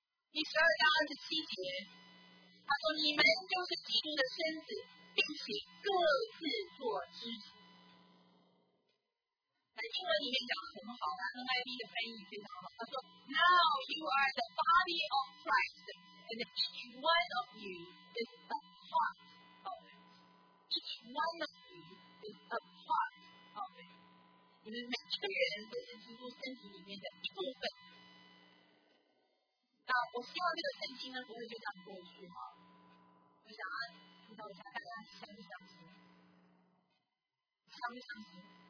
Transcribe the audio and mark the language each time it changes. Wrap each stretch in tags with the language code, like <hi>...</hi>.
<zh>第十二章二十七节，他说：“你们就是基督的身子，并且各自做肢体。” 在英文里面讲的很好，他跟 NIV 的翻译非常好。他说</zh> <en>：“Now you are the body of Christ, and each one of you is a part of it. Each one of you is a part of it.</en> <zh>你们每一个人都是基督身体里面的一部分。” 那我希望这个圣经呢，不会就这样过去哈。我想啊，辅导一下大家，相不相信？相不相信？</zh>